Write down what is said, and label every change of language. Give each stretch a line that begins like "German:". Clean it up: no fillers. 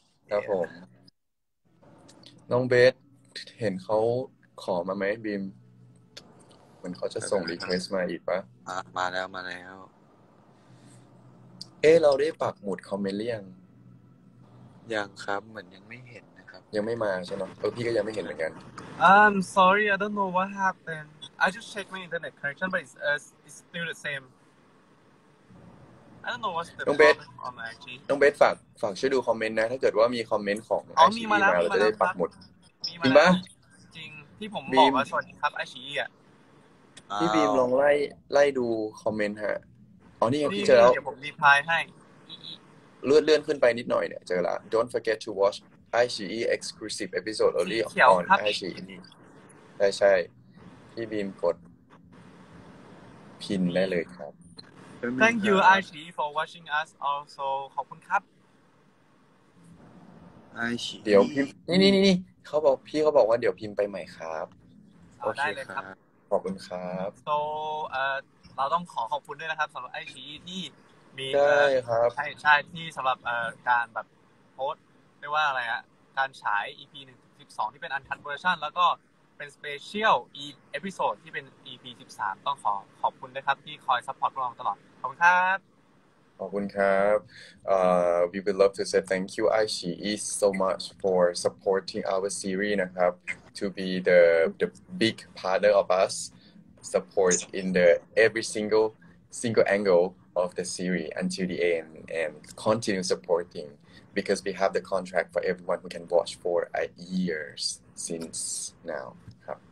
Thai: ครับผมน้องเบสเห็นเขาขอมาไหมบีมเหมือนเขาจะส่งรีเควสมาอีกปะ มาแล้วมาแล้ว เอ้เราได้ปักหมุดคอมเมนต์หรือยัง ยังครับเหมือนยังไม่เห็นนะครับ ยังไม่มาใช่ไหมเออพี่ก็ยังไม่เห็นเหมือนกัน
English: I'm sorry I don't know what happened I just checked my internet connection but it's still the same I don't know what's the problem on my IG
Thai: น้องเบสฝากช่วยดูคอมเมนต์นะถ้าเกิดว่ามีคอมเมนต์ของ ไอชีมา เราจะได้ปักหมุด มีมาจริงที่ผมบอกว่าสวัสดีครับไอชีอ่ะ พี่บีมลองไล่ดูคอมเมนต์ฮะอ๋อนี่ยังพี่เจอแล้ว เดี๋ยวผมรีพลายให้ เลื่อนขึ้นไปนิดหน่อยเนี่ยเจอละ
English: Don't forget to watch ICE exclusive episode only on ICE
Thai: ใช่ใช่พี่บีมกดพินได้เลยครับ
English: Thank you ICE for watching us also
Thai: ขอบคุณครับ
English: ICE
Thai: เดี๋ยวพิมพ์นี่เขาบอกพี่เขาบอกว่าเดี๋ยวพิมพ์ไปใหม่ครับ โอเคครับ ขอบคุณครับ So เราต้องขอขอบคุณด้วยนะครับสำหรับไอชีที่มี ใช่ครับ ใช่ใช่ที่สำหรับการแบบโพสต์ไม่ว่าอะไรอะการฉาย EP 112ที่เป็น Uncut Version แล้วก็เป็น Special Episode ที่เป็น EP 13ต้องขอขอบคุณด้วยครับที่คอยซัพพอร์ตเราตลอดขอบคุณครับ ขอบคุณครับ
English: we would love to say thank you ICE so much for supporting our series นะครับ to be the big partner of usupport in the every single angle of the series until the end and continue supporting because we have the contract for everyone who can watch for years since now ครับ